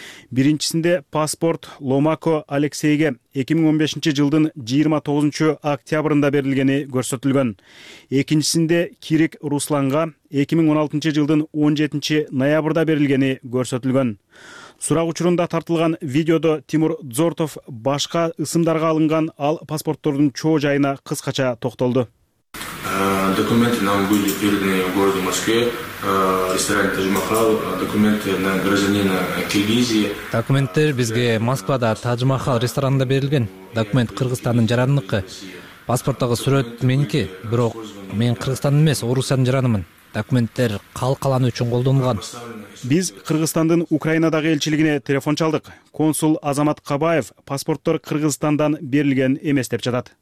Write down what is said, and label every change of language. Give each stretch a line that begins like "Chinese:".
Kyrgyz: Биринчисинде паспорт Ломако Алексейге 2015 жылдын 29 октябрында берилгени көрсөтүлгөн. Экинчисинде Кирик Русланга 2016 жылдын 17 ноябрда берилгени көрсөтүлгөн. Сурак учурунда тартылган видеодо Тимур Дзортов башка ысымдарга алынган, ал паспорттордун чоо жайына кыскача токтолду.
Russian: Документы нам были переданы в городе Москве, ресторане Тадж-Махал, документы на гражданина Киргизии.
Kyrgyz: Документтер бизге Москвада Тадж-Махал ресторанында берилген. Документ Кыргызстандын жараныныкы. Паспорттогу сүрөт меники, бирок мен Кыргызстандын эмес, Орусиянын жаранымын. Документтер калкаланы үчүн колдонулган. Биз Кыргызстандын Украинадагы элчилигине телефон чалдык. Консул Азамат Кабаев паспорттор Кыргызстандан берилген эмес деп жатат.